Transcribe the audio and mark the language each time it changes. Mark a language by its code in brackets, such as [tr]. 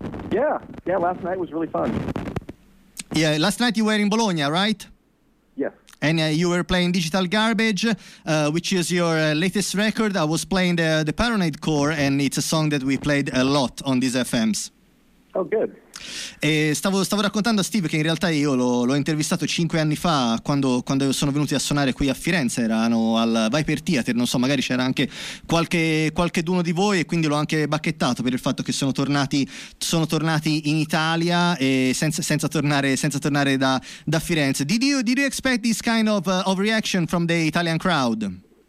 [en] Yeah, last night was really fun. Yeah, last night you were in Bologna, right? Yes. And you were playing Digital Garbage, which is your latest record. I was playing the Paranoid Core, and it's a song that we played a lot on these FMs. Oh, good. [it] E stavo raccontando a Steve che in realtà io l'ho intervistato 5 anni fa quando sono venuti a suonare qui a Firenze, erano al Viper Theater, non so, magari c'era anche qualcheduno di voi, e quindi l'ho anche bacchettato per il fatto che sono tornati in Italia e senza tornare da Firenze. [en] Did you expect this kind of reaction from the Italian crowd?